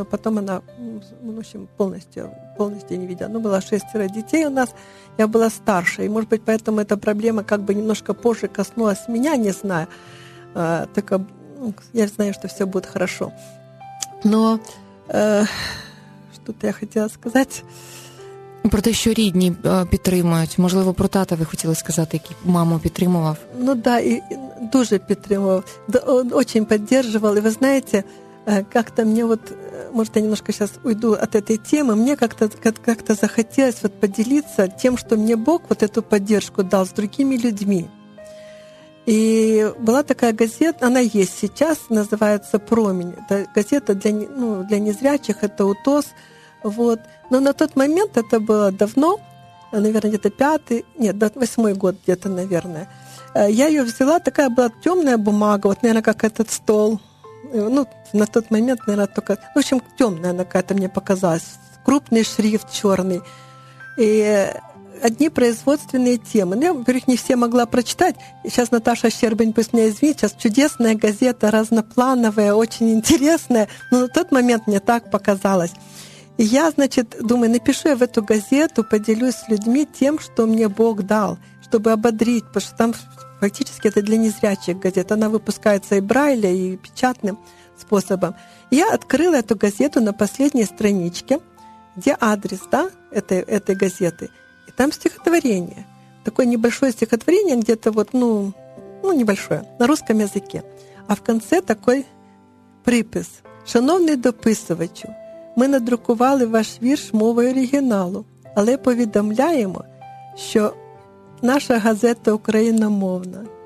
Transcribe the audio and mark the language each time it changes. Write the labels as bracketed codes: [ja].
[ru] Но потом она, в общем, полностью не видела. Ну, было 6 детей у нас, я была старше. И, может быть, поэтому эта проблема как бы немножко позже коснулась меня, не знаю. Только я знаю, что все будет хорошо. Но что-то я хотела сказать. [uk] Про те, що рідні підтримують. Можливо, про тата ви хотіли сказати, який маму підтримував? Ну так, да, і дуже підтримував. Очень підтримував. І ви знаєте, як-то мені, може, я немножко зараз уйду від цієї теми, мені як-то захотілося поділитися тим, що мені Бог цю підтримку дав з іншими людьми. І була така газета, вона є зараз, називається «Промінь». Це газета для незрячих, це УТОС. [ru] Вот. Но на тот момент это было давно, наверное, где-то восьмой год где-то, наверное. Я ее взяла, такая была темная бумага, вот, наверное, как этот стол. Ну, на тот момент, наверное, только... В общем, темная она какая-то мне показалась. Крупный шрифт черный. И одни производственные темы. Ну, я, во-первых, не все могла прочитать. Сейчас Наташа Щербень, пусть меня извинит, сейчас чудесная газета, разноплановая, очень интересная. Но на тот момент мне так показалось. И я, значит, думаю, напишу я в эту газету, поделюсь с людьми тем, что мне Бог дал, чтобы ободрить, потому что там фактически это для незрячих газет. Она выпускается и Брайля, и печатным способом. И я открыла эту газету на последней страничке, где адрес, да, этой газеты. И там стихотворение. Такое небольшое стихотворение, где-то вот, ну, небольшое, на русском языке. А в конце такой припис. [uk] «Шановний дописувачу, ми надрукували ваш вірш мовою оригіналу, але повідомляємо, що наша газета україномовна».